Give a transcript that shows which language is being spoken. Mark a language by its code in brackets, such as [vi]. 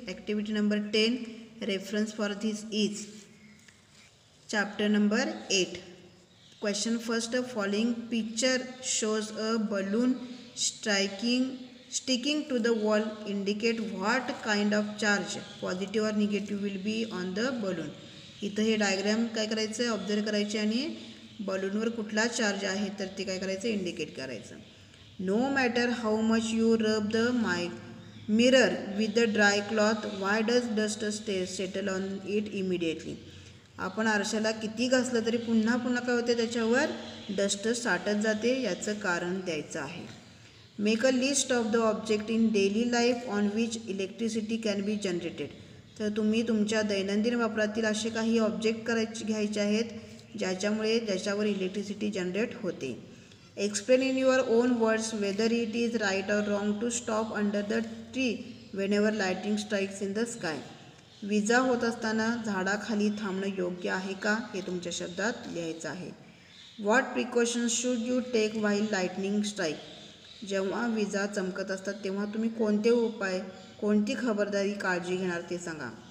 [en] Activity number 10, reference for this is chapter number 8. Question first, following picture shows a balloon sticking to the wall. Indicate what kind of charge, positive or negative, will be on the balloon. [mr] इथं हे diagram काय करायचं आहे, observe करायचे आणि बलूनवर कुठला charge आहे तर ते काय करायचं, इंडिकेट करायचं. [en] No matter how much you rub the my mirror with the dry cloth, why does dust settle on it immediately. [mr] आपण आरशाला किती घासलं तरी पुन्हा पुन्हा काय होते, त्याच्यावर डस्ट साठत जाते, याचं कारण द्यायचं आहे. [en] Make a list of the object in daily life on which electricity can be generated. [mr] तर तुम्ही तुमच्या दैनंदिन वापरातील असे काही ऑब्जेक्ट करायचे घ्यायचे आहेत ज्याच्यामुळे ज्याच्यावर इलेक्ट्रिसिटी जनरेट होते. [en] Explain in your own words whether it is right or wrong to stop under the tree whenever lightning strikes in the sky. [mr] विजा होत असताना झाडाखाली थांबणं योग्य आहे का हे तुमच्या शब्दात लिहायचं आहे. [en] What precautions should you take while lightning strike? [mr] जेव्हा विजा चमकत असतात तेव्हा तुम्ही कोणते उपाय कोणती खबरदारी काळजी घेणार ते सांगा.